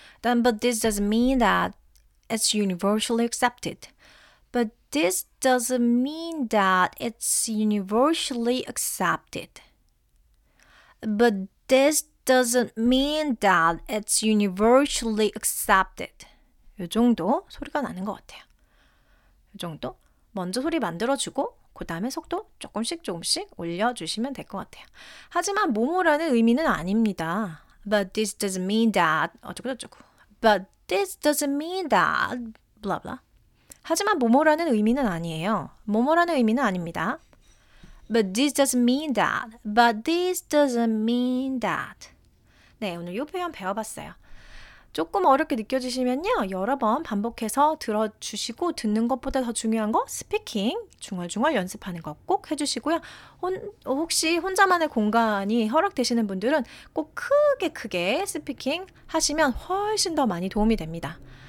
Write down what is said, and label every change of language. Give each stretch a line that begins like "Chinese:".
English: Then, but this doesn't mean that it's universally accepted. But this doesn't mean that it's universally accepted. But this doesn't mean that it's universally accepted.
Korean: 이 정도 소리가 나는 것 같아요. 이 정도? 먼저 소리 만들어주고 그 다음에 속도 조금씩 조금씩 올려주시면 될 것 같아요. 하지만 뭐뭐라는 의미는 아닙니다.
English: But this doesn't mean that
Korean: 어쩌고 저쩌고
English: But this doesn't mean that blah blah
Korean: 하지만 뭐뭐라는 의미는 아니에요. 뭐뭐라는 의미는 아닙니다.
English: But this doesn't mean that But this doesn't mean that
Korean: 네, 오늘 이 표현 배워봤어요. 조금 어렵게 느껴지시면요. 여러 번 반복해서 들어주시고 듣는 것보다 더 중요한 거 스피킹 중얼중얼 연습하는 거 꼭 해주시고요. 혹시 혼자만의 공간이 허락되시는 분들은 꼭 크게 크게 스피킹 하시면 훨씬 더 많이 도움이 됩니다.